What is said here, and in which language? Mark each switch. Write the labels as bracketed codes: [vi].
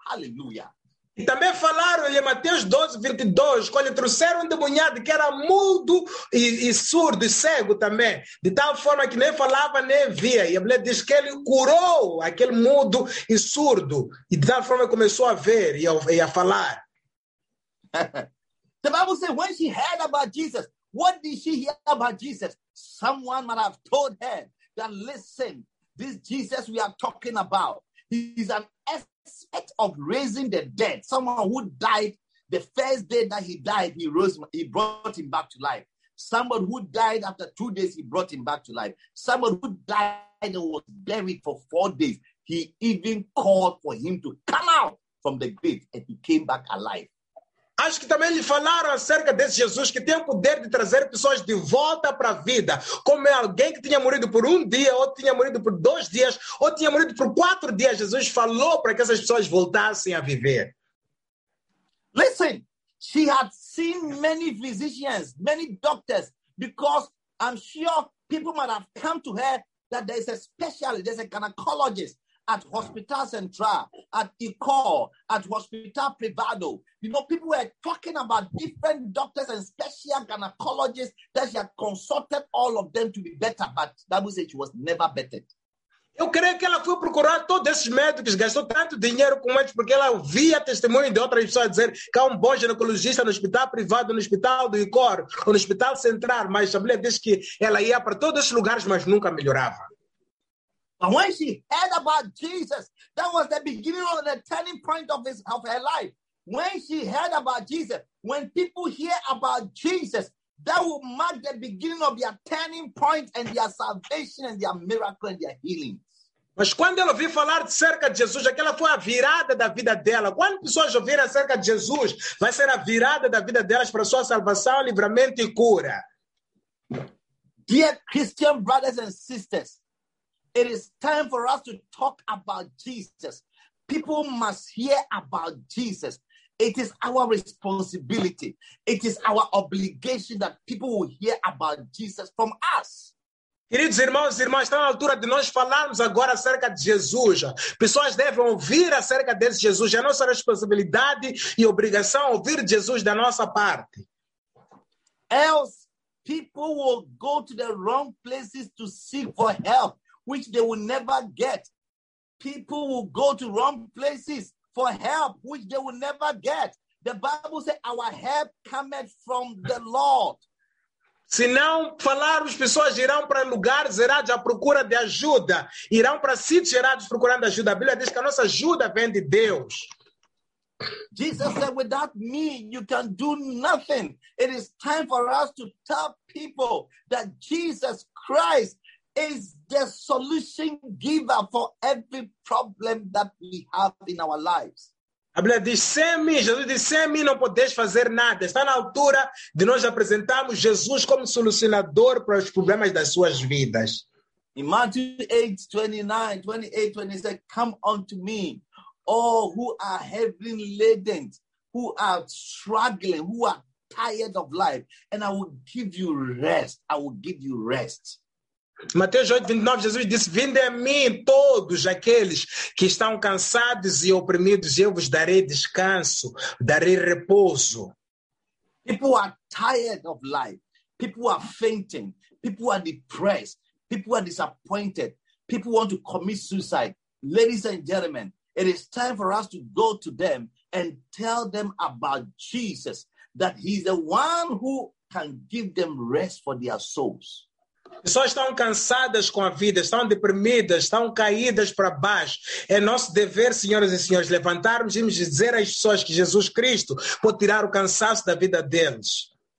[en] Hallelujah. [pt] E também falaram-lhe em Mateus 12, 22, quando lhe trouxeram um demoniado que era mudo e surdo e cego também, de tal forma que nem falava nem via. E a mulher diz que ele curou aquele mudo e surdo, e de tal forma começou a ver e a falar. [en] The Bible says, when she heard about Jesus, what did she hear about Jesus? Someone might have told her that, listen, this Jesus we are talking about, he's an aspect of raising the dead. Someone who died the first day that he died, he rose, he brought him back to life. Someone who died after 2 days, he brought him back to life. Someone who died and was buried for 4 days, he even called for him to come out from the grave, and he came back alive. [pt] Acho que também lhe falaram acerca desse Jesus que tem o poder de trazer pessoas de volta para a vida, como alguém que tinha morrido por um dia, ou tinha morrido por 2 dias, ou tinha morrido por 4 dias. Jesus falou para que essas pessoas voltassem a viver. [en] Listen, she had seen many physicians, many doctors, because I'm sure people might have come to her that there is a specialist, there's a gynecologist at Hospital Central, at Ecole, at Hospital Privado. You know, people were talking about different doctors and special gynecologists that she had consulted all of them to be better, but that would say she was never better. [pt] Eu creio que ela foi procurar todos esses médicos, gastou tanto dinheiro com eles, porque ela ouvia testemunho de outras pessoas dizer que há um bom ginecologista no hospital privado, no hospital do Ecole, ou no hospital central, mas a mulher diz que ela ia para todos esses lugares, mas nunca melhorava. [en] And when she heard about Jesus, that was the beginning of the turning point of his, of her life. When she heard about Jesus, when people hear about Jesus, that will mark the beginning of their turning point and their salvation and their miracle and their healing. [pt] Mas quando ela ouviu falar acerca de Jesus, aquela foi a virada da vida dela. Quando pessoas ouvirem acerca de Jesus, vai ser a virada da vida delas para sua salvação, livramento e cura. [en] Dear Christian brothers and sisters, it is time for us to talk about Jesus. People must hear about Jesus. It is our responsibility. It is our obligation that people will hear about Jesus from us. [pt] Queridos irmãos e irmãs, está na altura de nós falarmos agora acerca de Jesus. Pessoas devem ouvir acerca desse Jesus. É nossa responsabilidade e obrigação ouvir Jesus da nossa parte. [en] Else, people will go to the wrong places to seek for help, which they will never get. People will go to wrong places for help, which they will never get. The Bible says, our help cometh from the Lord. [pt] Se não falarmos, pessoas irão para lugares errados à procura de ajuda. Irão para sítios errados procurando ajuda. A Bíblia diz que a nossa ajuda vem de Deus. [en] Jesus said, without me, you can do nothing. It is time for us to tell people that Jesus Christ is the solution giver for every problem that we have in our lives. [pt] A Bíblia diz, sem mim, Jesus diz, sem mim não podes fazer nada. Está na altura de nós apresentarmos Jesus como solucionador para os problemas das suas vidas. Em Mateus [en] 8:29, 28, 26, come unto me, all who are heavy laden, who are struggling, who are tired of life, and I will give you rest. I will give you rest. [pt] Mateus 8:29, Jesus disse, vinde a mim todos aqueles que estão cansados e oprimidos, eu vos darei descanso, darei repouso. [en] People are tired of life. People are fainting. People are depressed. People are disappointed. People want to commit suicide. Ladies and gentlemen, it is time for us to go to them and tell them about Jesus, that he's the one who can give them rest for their souls. [pt] Pessoas estão cansadas com a vida, estão deprimidas, estão caídas para baixo. É nosso dever, senhoras e senhores, levantarmos e dizer às pessoas que Jesus Cristo pode tirar o cansaço da vida deles.